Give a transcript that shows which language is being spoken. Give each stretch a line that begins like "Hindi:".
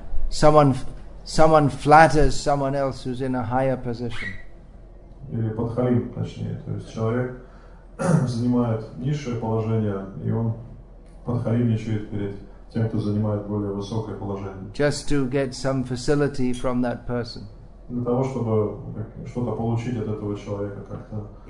English: Someone flatters someone else who's in a higher position.
Russian: Или подхалим, точнее. То есть человек занимает низшее положение, и он подхалимничает перед тем, кто занимает более высокое положение.
English: Just to get some facility from that person.
Russian: Для того, чтобы что-то получить от этого человека как-то.